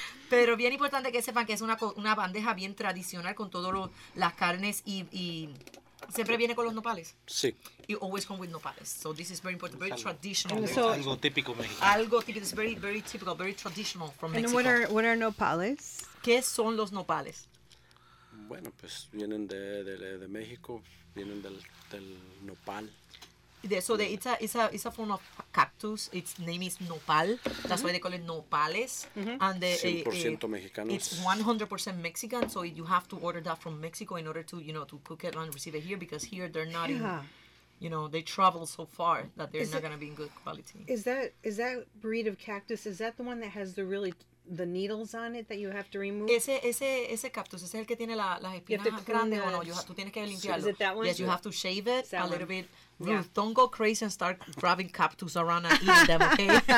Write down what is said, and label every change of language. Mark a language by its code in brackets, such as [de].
[es] Pero bien importante que sepan que es una bandeja bien tradicional con todas las carnes y siempre viene con los nopales. Sí. [en] It always comes with nopales. So this is very important, very traditional. [es] Algo típico mexicano. Algo típico, [en] it's very, very typical, very traditional from Mexico. And what are nopales? [es] ¿Qué son los nopales? Bueno, pues vienen de México, vienen del nopal. [en] So it's a form of cactus. Its name is nopal. That's why they call it nopales. Mm-hmm. And 100% Mexicanos. It's 100% Mexican. So you have to order that from Mexico in order to, you know, to cook it and receive it here, because here they're not you know, they travel so far that they're not going to be in good quality. Is that breed of cactus, is that the one that has the needles on it that you have to remove? [es] Ese cactus, ese es el que tiene las espinas grandes, o no, tú tienes que limpiarlo. [en] Is it that one? Yes, you have to shave it a little bit. Ruth, yeah. Don't go crazy and start grabbing cactus around and eating them, okay?